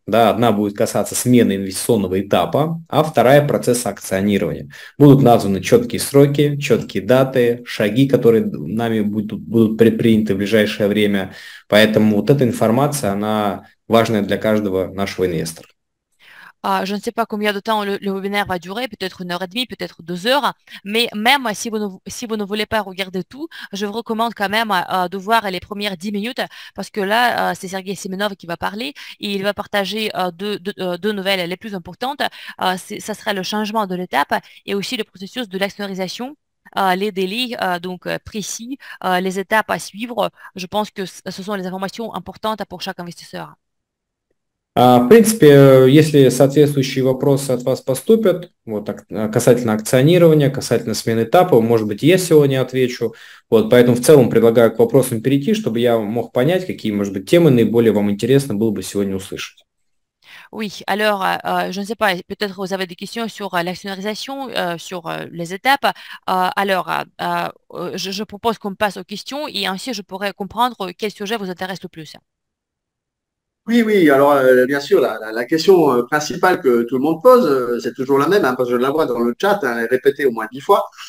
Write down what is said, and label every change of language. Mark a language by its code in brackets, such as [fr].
[ru] Да, одна будет касаться смены инвестиционного этапа, а вторая – процесса акционирования. Будут названы четкие сроки, четкие даты, шаги, которые нами будут предприняты в ближайшее время. Поэтому вот эта информация, она важная для каждого нашего инвестора. [fr] Je ne sais pas combien de temps le webinaire va durer, peut-être 1 heure et demie, peut-être 2 heures, mais même si vous ne voulez pas regarder tout, je vous recommande quand même de voir les premières 10 minutes, parce que là, c'est Sergei Semenov qui va parler, et il va partager deux nouvelles les plus importantes. Ça sera le changement de l'étape et aussi le processus de l'actionnarisation, les délais donc précis, les étapes à suivre. Je pense que ce sont les informations importantes pour chaque investisseur. [ru] В принципе, если соответствующие вопросы от вас поступят, вот так, касательно акционирования, касательно смены этапа, может быть, я сегодня отвечу. Вот, поэтому в целом предлагаю к вопросам перейти, чтобы я мог понять, какие, может быть, темы наиболее вам интересно было бы сегодня услышать. [fr] Oui, alors, je ne sais pas, peut-être vous avez des questions sur l'actionnarisation, sur les étapes. Alors, je propose qu'on passe aux questions et ainsi je pourrais comprendre quel sujet vous intéresse le plus. Oui, alors bien sûr, la question principale que tout le monde pose, c'est toujours la même, hein, parce que je la vois dans le chat, elle est répétée au moins 10 fois.